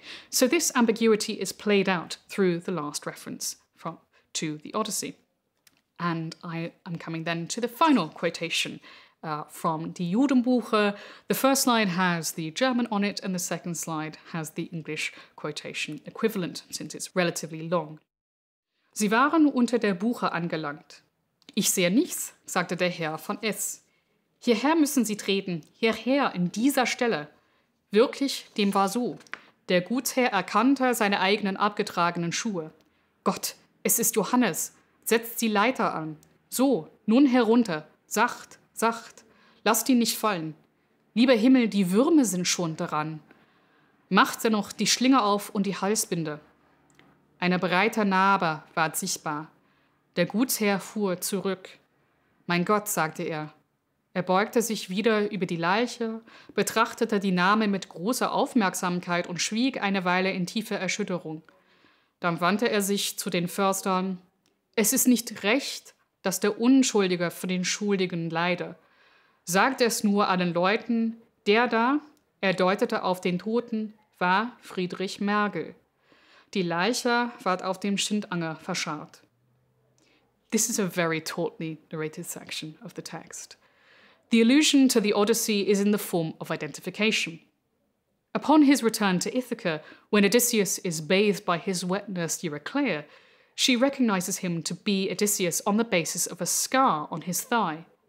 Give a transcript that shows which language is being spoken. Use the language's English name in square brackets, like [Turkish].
[English] So this ambiguity is played out through the last reference to the Odyssey. And I am coming then to the final quotation from Die Judenbuche. The first line has the German on it, and the second slide has the English quotation equivalent, since it's relatively long. [German] Sie waren unter der Buche angelangt. Ich sehe nichts, sagte der Herr von S. Hierher müssen Sie treten, hierher, in dieser Stelle. Wirklich, dem war so. Der Gutsherr erkannte seine eigenen abgetragenen Schuhe. Gott, es ist Johannes. Setzt die Leiter an. So, nun herunter. Sacht. Sacht, lasst ihn nicht fallen. Lieber Himmel, die Würme sind schon dran. Macht er noch die Schlinge auf und die Halsbinde. Eine breite Narbe ward sichtbar. Der Gutsherr fuhr zurück. Mein Gott, sagte er. Er beugte sich wieder über die Leiche, betrachtete die Name mit großer Aufmerksamkeit und schwieg eine Weile in tiefer Erschütterung. Dann wandte er sich zu den Förstern. Es ist nicht recht, dass der Unschuldige für den Schuldigen leide. Sagt es nur allen Leuten, der da, er deutete auf den Toten, war Friedrich Mergel. Die Leiche ward auf dem Schindanger verscharrt. [English] This is a very tautly narrated section of the text. The allusion to the Odyssey is in the form of identification. Upon his return to Ithaca, when Odysseus is bathed by his wet nurse Eurycleia, she recognizes him to be Odysseus on the basis of a scar on his thigh.